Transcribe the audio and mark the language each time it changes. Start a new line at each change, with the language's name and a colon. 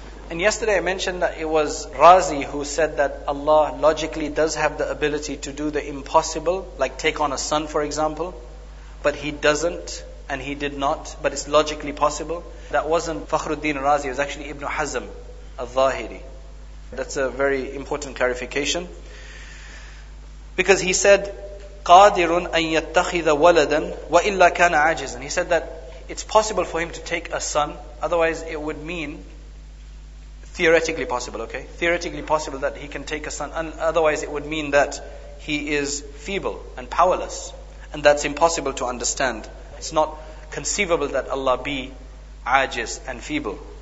English: And yesterday I mentioned that it was Razi who said that Allah logically does have the ability to do the impossible, like take on a son for example, but He doesn't, and He did not, but it's logically possible. That wasn't Fakhruddin Razi, it was actually Ibn Hazm al-Zahiri. That's a very important clarification. Because he said,
Arabic: قَادِرٌ أَن يَتَّخِذَ وَلَدًا وَإِلَّا كَانَ عَاجِزًا.
English: He said that it's possible for him to take a son, otherwise it would mean, theoretically possible, okay? Theoretically possible that he can take a son, and otherwise it would mean that he is feeble and powerless. And that's impossible to understand. It's not conceivable that Allah be ajiz and feeble.